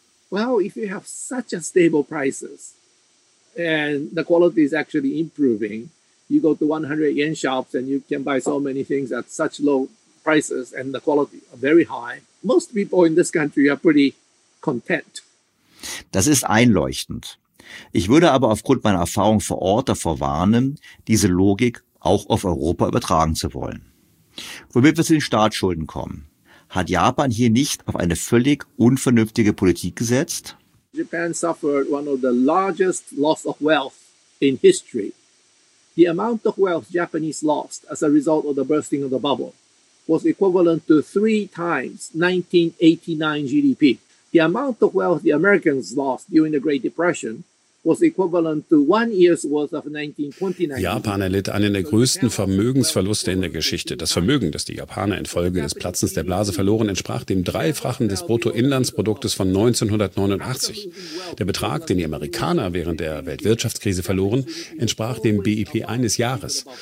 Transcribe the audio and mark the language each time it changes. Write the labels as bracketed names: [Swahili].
[English] Well, if you have such a stable prices and the quality is actually improving, you go to 100 yen shops and you can buy so many things at such low prices and the quality are very high. Most people in this country are pretty content. [German] Das ist einleuchtend. Ich würde aber aufgrund meiner Erfahrung vor Ort davor warnen, diese Logik auch auf Europa übertragen zu wollen. Womit wir zu den Staatsschulden kommen. Hat Japan hier nicht auf eine völlig unvernünftige Politik gesetzt? [English] Japan suffered one of the largest loss of wealth in history. The amount of wealth Japanese lost as a result of the bursting of the bubble was equivalent to 3 times 1989 GDP. The amount of wealth the Americans lost during the Great Depression was equivalent to 1 year's worth of 1929. [German] Japan erlitt einen der größten Vermögensverluste in der Geschichte. Das Vermögen, das die Japaner infolge des Platzens der Blase verloren, entsprach dem Dreifachen des Bruttoinlandsproduktes von 1989. Der Betrag, den die Amerikaner während der Weltwirtschaftskrise verloren, entsprach dem BIP eines Jahres.